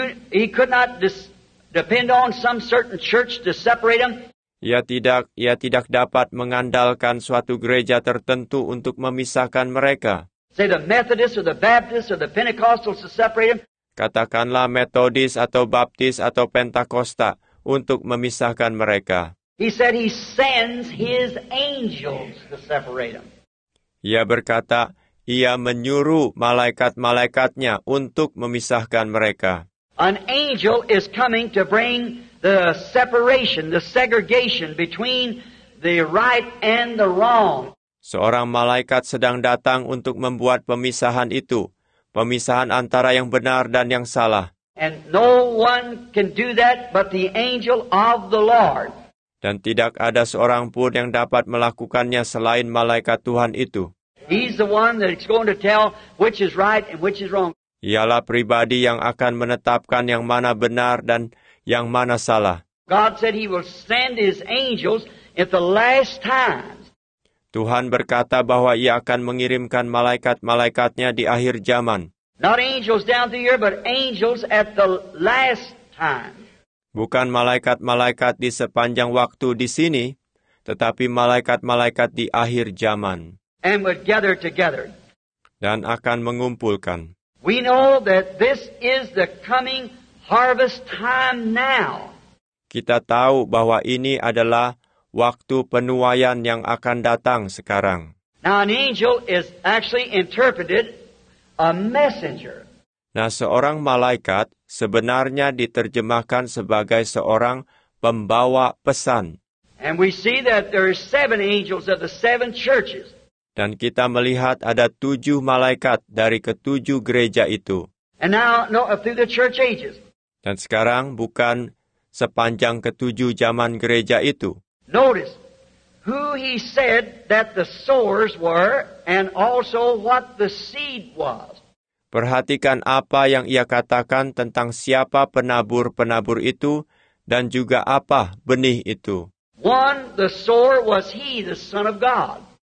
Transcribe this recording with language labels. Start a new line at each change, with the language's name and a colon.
English: he could not depend on some certain church to separate them.
Indonesian: Ia tidak dapat mengandalkan suatu gereja tertentu untuk memisahkan mereka.
English: Say the Methodist or the Baptist or the Pentecostals to separate them.
Indonesian: Katakanlah Metodis atau Baptis atau Pentakosta untuk memisahkan mereka.
English: He said he sends his angels to separate them.
Indonesian: Ia berkata, ia menyuruh malaikat-malaikatnya untuk memisahkan mereka.
English: An angel is coming to bring the separation, the segregation between the right and the wrong.
Indonesian: Seorang malaikat sedang datang untuk membuat pemisahan itu. Pemisahan antara yang benar dan yang salah.
English: And no one can do that but the angel of the Lord.
Indonesian: Dan tidak ada seorang pun yang dapat melakukannya selain malaikat Tuhan itu.
English: He's the one that's going to tell which is right and which is wrong.
Indonesian: Ialah pribadi yang akan menetapkan yang mana benar dan yang mana salah.
English: God said he will send his angels at the last time.
Indonesian: Tuhan berkata bahwa ia akan mengirimkan malaikat-malaikatnya di akhir zaman.
English: Not angels down the year, but angels at the last time.
Indonesian: bukan malaikat-malaikat di sepanjang waktu di sini, tetapi malaikat-malaikat di akhir zaman.
English: And would gather together.
Indonesian: Dan akan mengumpulkan.
English: We know that this is the coming harvest time now.
Indonesian: Kita tahu bahwa ini adalah waktu penuaian yang akan datang sekarang.
English: Now an angel is actually interpreted a messenger.
Indonesian: Nah, seorang malaikat sebenarnya diterjemahkan sebagai seorang pembawa pesan.
English: And we see that there are seven angels of the seven churches.
Indonesian: Dan kita melihat ada 7 malaikat dari ketujuh gereja itu.
English: And now, no, through the church ages.
Indonesian: Dan sekarang bukan sepanjang ketujuh zaman gereja itu.
English: Notice who he said that the sowers were and also what the seed was.
Indonesian: Perhatikan apa yang ia katakan tentang siapa penabur-penabur itu dan juga apa benih itu.
English: One, the sower was he, the son of God.